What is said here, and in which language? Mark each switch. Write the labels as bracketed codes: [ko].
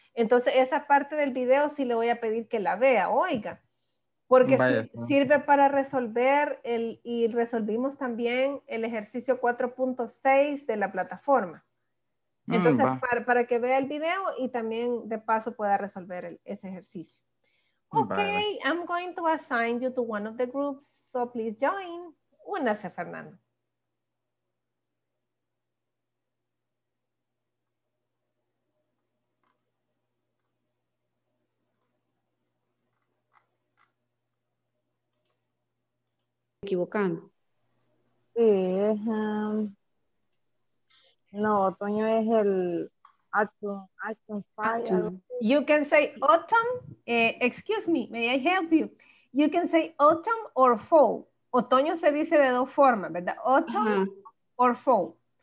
[es] Entonces, esa parte del video sí le voy a pedir que la vea, oiga, porque sirve para resolver y resolvimos también el ejercicio 4.6 de la plataforma. Entonces, para que vea el video y también de paso pueda resolver ese ejercicio. [en] Ok, I'm going to assign you to one of the groups, so please join. [es] Únase, Fernando. Equivocando. Sí, es, no, otoño es el autumn fire. [en] You can say autumn, excuse me, may I help you? You can say autumn or fall. [es] Otoño se dice de dos formas, ¿verdad? Autumn or fall.